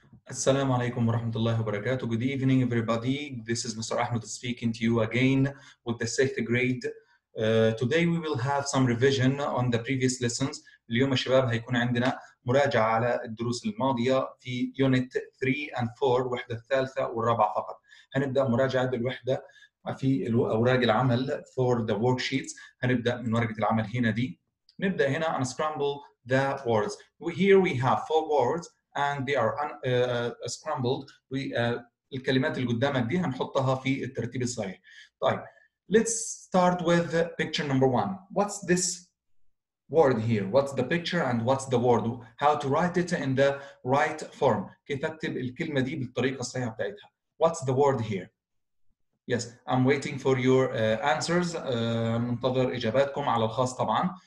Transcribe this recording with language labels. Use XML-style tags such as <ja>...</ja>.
<ar>السلام عليكم ورحمة الله وبركاته.</ar> <en>Good evening everybody. This is Mr. Ahmed speaking to you again with the sixth grade. Today we will have some revision on the previous lessons.</en> <ar>اليوم الشباب هيكون عندنا مراجعة على الدروس الماضية في</ar> <en>unit 3 and 4,</en> <ar>وحدة الثالثة والرابعة فقط. هنبدأ مراجعة بالوحدة في أوراق العمل</ar> <en>for the worksheets.</en> <ar>هنبدأ من ورقة العمل هنا دي. نبدأ هنا</ar> <en>and scramble the words. Here we have four words. And they are scrambled.</en> <ar>الكلمات اللي قدامك دي هنحطها في الترتيب الصحيح.</ar> <en>طيب, let's start with picture number one. What's this word here? What's the picture and what's the word? How to write it in the right form?</en> <ar>كيف اكتب الكلمة دي بالطريقة الصحيحة بتاعتها?</ar> <en>What's the word here? Yes, I'm waiting for your answers.</en> <ar>منتظر إجاباتكم على الخاص طبعا.</ar>